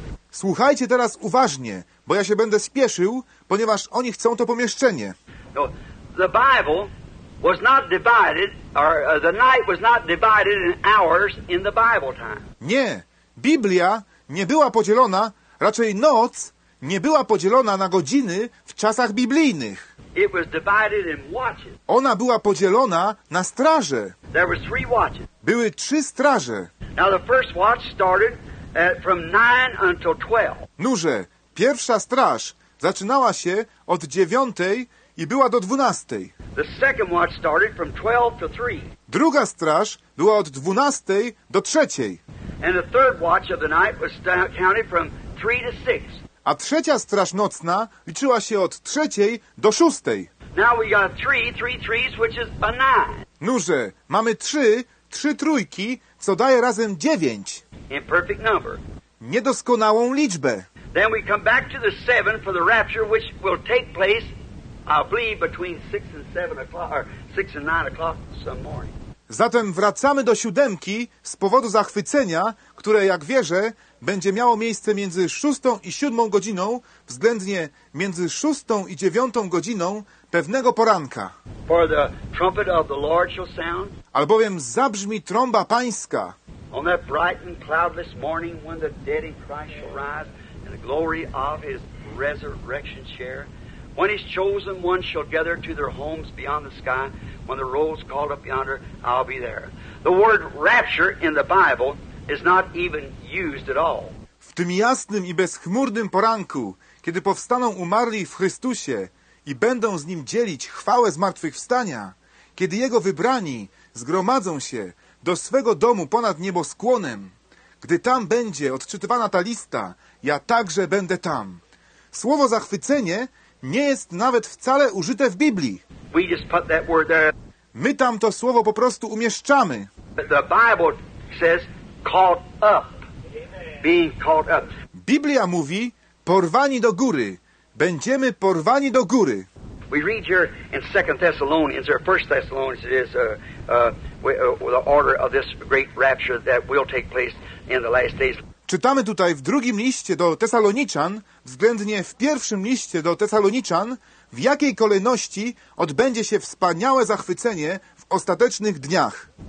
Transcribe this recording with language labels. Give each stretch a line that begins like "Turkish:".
Polish: Słuchajcie teraz uważnie, bo ja się będę spieszył, ponieważ oni chcą to pomieszczenie.
English: The Bible was not divided, or the night was not divided in hours in the Bible time.
Polish: Nie, Biblia nie była podzielona. Raczej noc nie była podzielona na godziny w czasach biblijnych.
English: It was divided in watches.
Polish: Ona była podzielona na straże.
English: There were three watches.
Polish: Były trzy straże.
English: Now the first watch started at from 9 until 12.
Polish: Nurze, pierwsza straż zaczynała się od 9 i była do 12.
English: The second watch started from 12 to 3.
Polish: Druga straż była od 12 do 3.
English: And the third watch of the night was counted from 3 to 6.
Polish: A trzecia straż nocna liczyła się od 3 do 6.
English: Now we got 3 threes, which is a 9.
Polish: Nurze, mamy 3 trójki, co daje razem 9.
English: Imperfect number.
Polish: Niedoskonałą liczbę.
English: Then we come back to the 7 for the rapture, which will take place, I believe, between 6 and 7 o'clock, or 6 and 9 o'clock some morning.
Polish: Zatem wracamy do siódemki z powodu zachwycenia, które, jak wierzę, będzie miało miejsce między 6 i 7 godziną, względnie między 6 i 9 godziną pewnego poranka.
English: For the trumpet of the Lord shall sound.
Polish: Albowiem zabrzmi trąba Pańska.
English: On that bright and cloudless morning when the dead in Christ shall rise and the glory of his resurrection share. When his chosen ones shall gather to their homes beyond the sky, when the roll's called up yonder, I'll be there. The word rapture in the Bible is not even used at all.
Polish: W tym jasnym i bezchmurnym poranku, kiedy powstaną umarli w Chrystusie i będą z Nim dzielić chwałę zmartwychwstania, kiedy Jego wybrani zgromadzą się do swego domu ponad nieboskłonem, gdy tam będzie odczytywana ta lista, ja także będę tam. Słowo zachwycenie nie jest nawet wcale użyte w Biblii.
English: We just put that word there.
Polish: My tam to słowo po prostu umieszczamy.
English: The Bible says, caught up. Being caught up.
Polish: Biblia mówi, porwani do góry. Będziemy porwani do góry.
English: We read here in 2 Thessalonians, or 1 Thessalonians, it is the order of this great rapture that will take place in the last days.
Polish: Czytamy tutaj w drugim liście do Tesaloniczan, względnie w pierwszym liście do Tesaloniczan, w jakiej kolejności odbędzie się wspaniałe zachwycenie w ostatecznych dniach.